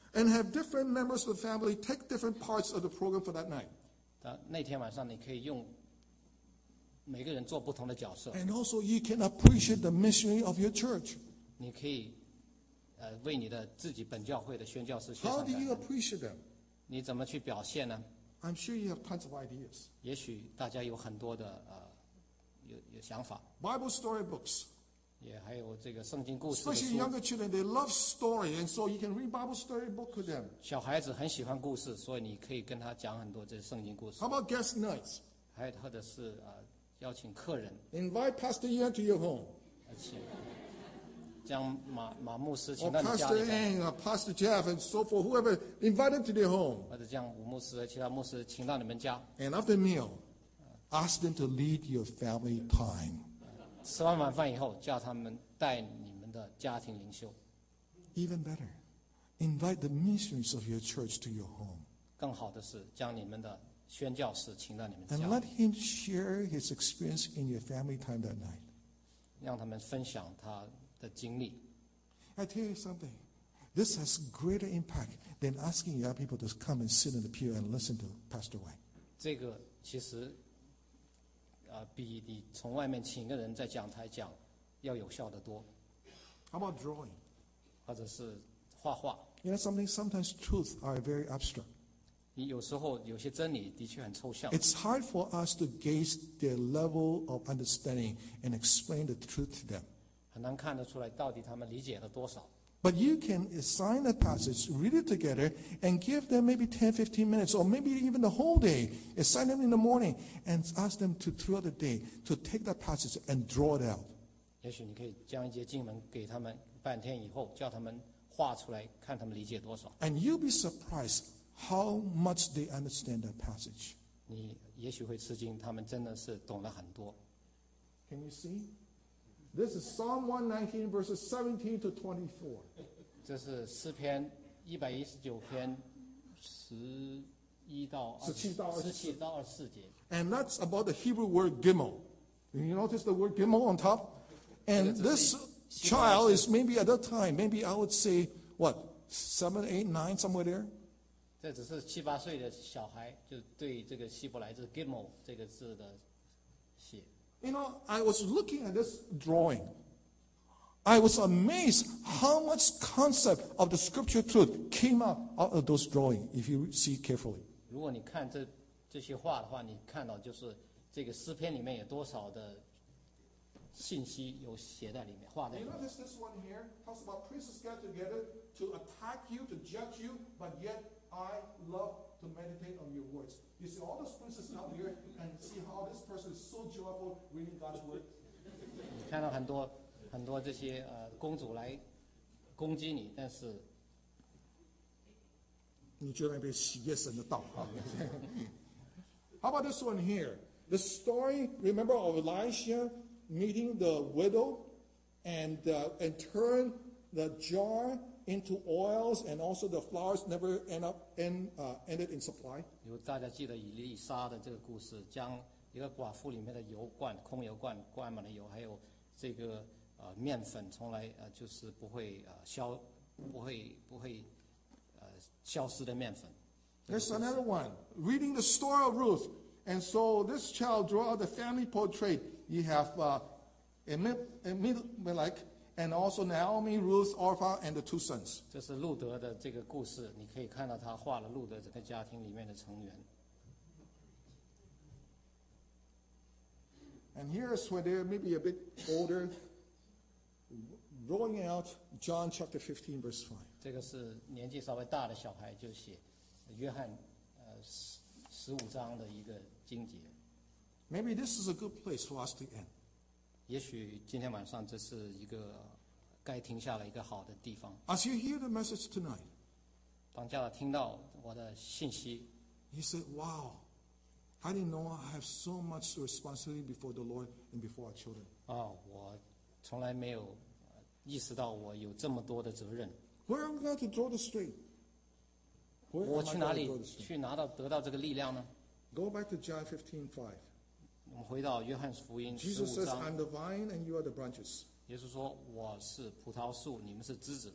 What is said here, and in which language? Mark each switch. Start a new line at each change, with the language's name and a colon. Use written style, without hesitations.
English: And have different members of the family take different parts of the program for that night.
Chinese: 那天晚上你可以用。每个人做不同的角色。
English: And also, you can appreciate the missionary of your church.
Chinese: 你可以，为你的自己本教会的宣教士献上感恩。
English: How do you appreciate them?
Chinese: 你怎么去表现呢
English: ？I'm sure you have tons of ideas.
Chinese: 也许大家有很多的有想法。
English: Bible story books.
Chinese: 也还有这个圣经故事。
English: Especially younger children, they love story, and so you can read Bible story book to them.
Chinese: 小孩子很喜欢故事，所以你可以跟他讲很多这圣经故事。
English: How about guest nights?
Chinese: 还或者是邀请客人。
English: Invite Pastor Ian to your home.
Chinese: 将马牧师请到你家里。
English: Pastor Ian, Pastor Jeff, and so forth, whoever invite them to their home.
Chinese: 或者将吴牧师和其他牧师请到你们家。
English: And after meal, ask them to lead your family time.
Chinese: 吃完晚饭以后，叫他们带你们的家庭领袖。
English: Even better, invite the missionaries of your church to your home.
Chinese: 更好的是将你们的宣教士请到你们家。
English: And let him share his experience in your family time that night.
Chinese: 让他们分享他的经历。
English: I tell you something, this has greater impact than asking young people to come and sit in the pew and listen to Pastor Wang.
Chinese: 这个其实比你从外面请一个人在讲台讲要有效的多。
English: How about drawing?
Chinese: 或者是画画。
English: You know something, sometimes truths are very abstract.
Chinese: 你有时候有些真理的确很抽象。
English: It's hard for us to gauge their level of understanding and explain the truth to them.
Chinese: 很难看得出来到底他们理解了多少。
English: But you can assign a passage, read it together, and give them maybe 10, 15 minutes, or maybe even the whole day. Assign them in the morning, and ask them to throughout the day to take that passage and draw it out.
Chinese: 也许你可以将一节经文给他们半天以后，叫他们画出来，看他们理解多少。
English: And you'll be surprised how much they understand that passage.
Chinese: 你也许会吃惊，他们真的是懂了很多。
English: Can you see? This is Psalm 119, verses 17 to 24.
Chinese: 这是诗篇119篇11到17到24节。
English: And that's about the Hebrew word gimel. You notice the word gimel on top? And this child is maybe at that time, maybe I would say, what, 7, 8, 9, somewhere there?
Chinese: 这只是七八岁的小孩，就对这个希伯来字 gimel 这个字的写。
English: You know, I was looking at this drawing. I was amazed how much concept of the scripture truth came out of those drawings, if you see carefully.
Chinese: 如果你看这些画的话，你看到就是这个诗篇里面有多少的信息有写在里面，画在里面。
English: You notice this one here? Talks about priests get together to attack you, to judge you, but yet I love to meditate on your words. You see all those princes out here and see how this person is so joyful reading God's word.
Chinese: 你看到很多很多这些公主来攻击你，但是你觉得那边喜悦神的道啊。
English: How about this one here? The story, remember, of Elisha meeting the widow and turn the jar into oils and also the flowers never ended in supply.
Chinese: 有大家记得以利沙的这个故事，将一个寡妇里面的油罐空油罐灌满了油，还有这个面粉从来就是不会消不会消失的面粉。
English: There's another one. Reading the story of Ruth. And so this child draw out the family portrait. You have Elimelech and also Naomi, Ruth, Orpha, and the two sons.
Chinese: 这是路德的这个故事，你可以看到他画了路德整个家庭里面的成员。
English: And here's when they're maybe a bit older, drawing out John chapter 15, verse 5.
Chinese: 这个是年纪稍微大的小孩就写约翰十五章的一个经节。
English: Maybe this is a good place for us to end.
Chinese: 也许今天晚上这是一个该停下来一个好的地方。
English: As you hear the message tonight,
Chinese: 当家长听到我的信息
English: ，He said, "Wow, I didn't know I have so much responsibility before the Lord and before our children."
Chinese: 啊，我从来没有意识到我有这么多的责任。
English: Where am I going to draw the strength?
Chinese: 我去哪里去拿到得到这个力量呢
English: ？Go back to John 15:5.
Chinese: 我们回到约翰福音十五章。
English: Jesus says, "I'm the vine, and you are the branches."
Chinese: 耶稣说，我是葡萄树，你们是枝子。